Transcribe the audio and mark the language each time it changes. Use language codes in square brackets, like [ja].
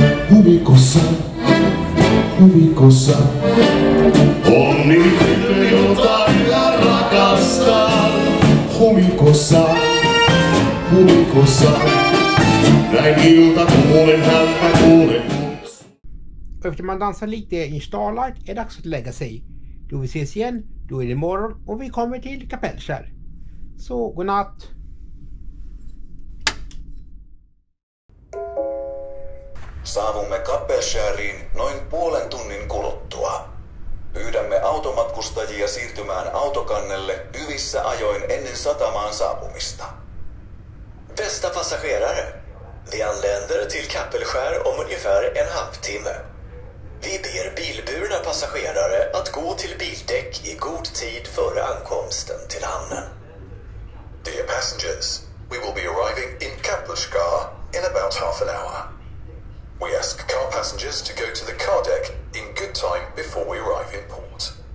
[fi] Huvikossa, huvikossa, on niin, jota yhä rakastan. Huvikossa, huvikossa, näin ilta kuulen häntä kuulen. [sv] Efter man dansar lite i Starlight är dags att lägga sig. Då vi ses igen, då är det morgon och vi kommer till Kapellskär. Så, godnatt! [fi] Saavumme Kapellskäriin noin puolen tunnin kuluttua. Pyydämme automatkustajia siirtymään autokannelle hyvissä ajoin ennen satamaan saapumista. [sv] Bästa passagerare, vi anländer till Kapellskär om ungefär en halvtimme. Vi ber bilburna passagerare att gå till bildäck i god tid före ankomsten till hamnen. [en] Dear passengers, we will be arriving in Kapellskär in about half an hour. We ask car passengers to go to the car deck in good time before we arrive in port.